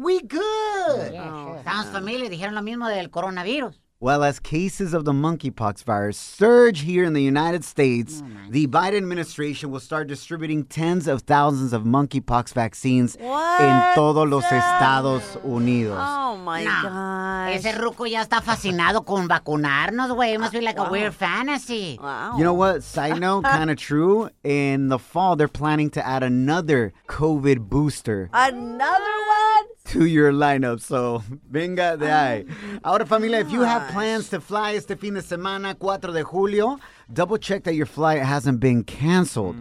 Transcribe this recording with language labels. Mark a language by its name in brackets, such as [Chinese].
[English] We good. Yeah, sure. Sounds familiar. [Spanish] Dijeron lo mismo del coronavirus. [English] Well, as cases of the monkeypox virus surge here in the United States, the Biden administration will start distributing tens of thousands of monkeypox vaccines what? In [Spanish] todos los Estados Unidos. [English] Oh, my God. [Spanish] Ese ruco ya está fascinado con vacunarnos, güey. [English] It must be like a weird fantasy. Wow. You know what? Side note, kind of true. In the fall, they're planning to add another COVID booster. Another one? To your lineup, so [Spanish] venga de ahí. Ahora, familia, [English] if you have plans to fly [Spanish] este fin de semana, 4 de julio, [English] double check that your flight hasn't been canceled.